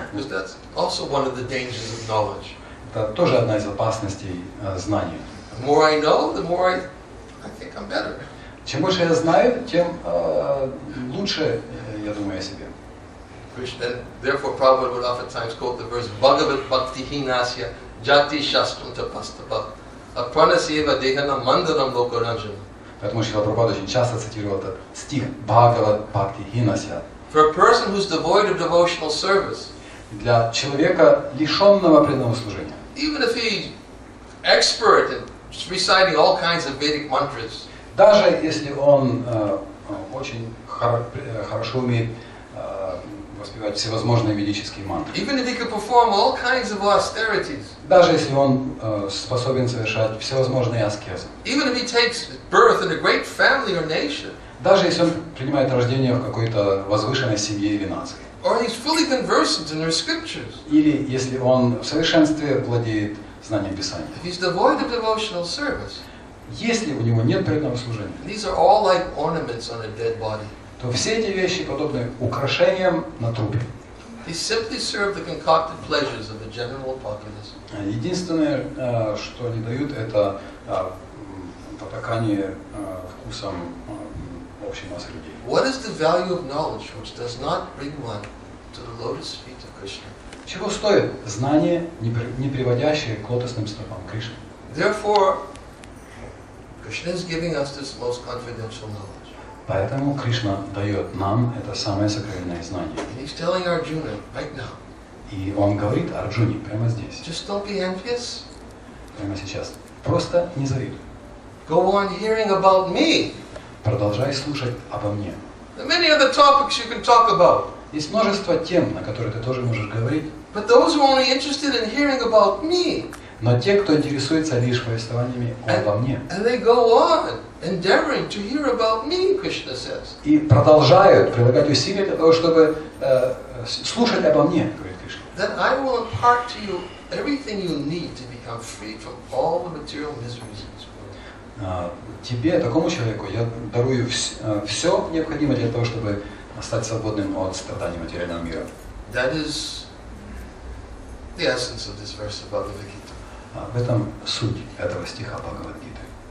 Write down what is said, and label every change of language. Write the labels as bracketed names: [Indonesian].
[English] Because that's also one of the dangers of knowledge. [Russian] Это тоже одна из опасностей знания. [English] The more I know, the more I think I'm better. [Russian] Чем больше я знаю, тем лучше я думаю о себе. [English] Krishna, therefore, Prabhupada would oftentimes quote the verse [Sanskrit] Bhagavat Bhakti Hinasya Jati Shastram Tapastapa Apranasiva Dehana Mandaram Lokaranjan. [Russian] Поэтому Шрила Прабхупада очень часто цитировал этот стих [Sanskrit] Бхагават Бхакти Хинасья. [English] For a person who's devoid of devotional service. [Russian] Для человека, лишенного преданного служения. [English] Even if he's expert in reciting all kinds of Vedic mantras. [Russian] Даже если он очень хорошо умеет воспевать всевозможные ведические мантры. [English] Even if he can perform all kinds of austerities. [Russian] Даже если он способен совершать всевозможные аскезы. [English] Even if he takes birth in a great family or nation. [Russian] Даже если он принимает рождение в какой-то возвышенной семье или нации. [English] Or he's fully conversant in their scriptures. [Russian] Или если он в совершенстве владеет знанием Писания. [English] If he's devoid of devotional service. [Russian] Если у него нет преданного служения, [English] these are all like ornaments on a dead body. [Russian] То все эти вещи подобны украшениям на трупе. [English] They simply serve the concocted pleasures of the general populace. [Russian] Единственное, что они дают, это потакание вкусам общей массы людей. [English] What is the value of knowledge which does not bring one to the lotus feet of Krishna? [Russian] Чего стоит знание, не приводящее к лотосным стопам Кришны? [English] Therefore, Krishna is giving us this most confidential knowledge. [Russian] Поэтому Кришна дает нам это самое сокровенное знание. [English] And he's telling Arjuna right now. [Russian] И он говорит Арджуне прямо здесь. [English] Just don't be envious. [Russian] Прямо сейчас. Просто не завидуй. [English] Go on hearing about me. [Russian] Продолжай слушать обо мне. [English] many other topics you can talk about. [Russian] Есть множество тем, на которые ты тоже можешь говорить. [English] But those who are only interested in hearing about me. [Russian] Но те, кто интересуется лишь повествованиями обо мне. [English] And they go on endeavoring to hear about me, Krishna says. [Russian] И продолжают прилагать усилия для того, чтобы слушать обо мне, говорит Кришна. [English] Then I will impart to you everything you need to become free from all the material miseries in this world. [Russian] Тебе, такому человеку, я дарую все необходимое для того, чтобы стать свободным от страданий материального мира. [English] That is the essence of this verse about the Vikita. [Russian] В этом суть этого стиха Бхагавад-гиты.